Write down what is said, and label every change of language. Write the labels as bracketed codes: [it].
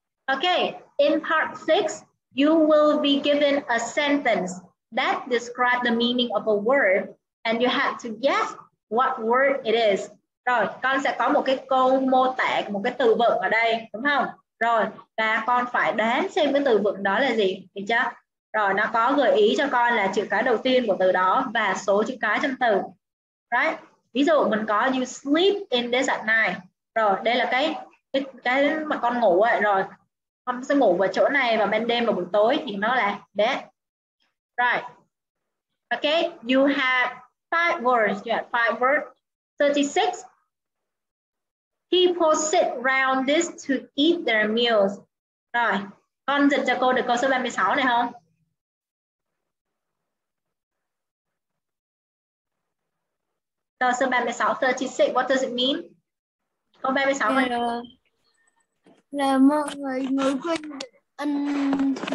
[en] Okay, in part 6, you will be given a sentence that describes the meaning of a word and you have to guess what word it is. [vi] Rồi, con sẽ có một cái câu mô tả, một cái từ vựng ở đây, đúng không? Rồi, và con phải đoán xem cái từ vựng đó là gì, được chưa? Rồi nó có gợi ý cho con là chữ cái đầu tiên của từ đó và số chữ cái trong từ. Right? Ví dụ mình có [en] you sleep in this at night. [vi] Rồi đây là cái mà con ngủ ấy. Rồi con sẽ ngủ vào chỗ này vào ban đêm và buổi tối thì nó là bed. [en] Right. Okay, you have five words. You have five words. 36. People sit around this to eat their meals. [vi] Rồi, con dịch cho cô được câu số 36 này không? Câu số 36, 36, [en] what does it mean? [vi] Câu 36 này. Là mọi người ngồi quên ăn.